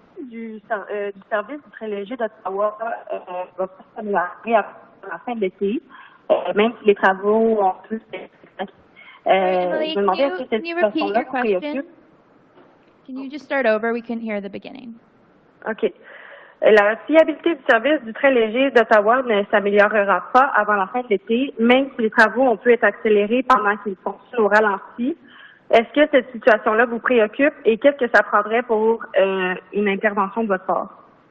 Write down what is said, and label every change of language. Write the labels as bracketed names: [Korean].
[French] Du service du très léger d'Ottawa va pas s'améliorer avant la fin de l'été, même si les travaux ont pu être faits. [English] Can you just start over? We couldn't hear the beginning. OK. [French] La fiabilité du service du très léger d'Ottawa ne s'améliorera pas avant la fin de l'été, même si les travaux ont pu être accélérés pendant qu'ils fonctionnent au ralenti. Est-ce que cette situation-là vous préoccupe et qu'est-ce que ça prendrait pour une intervention de votre part?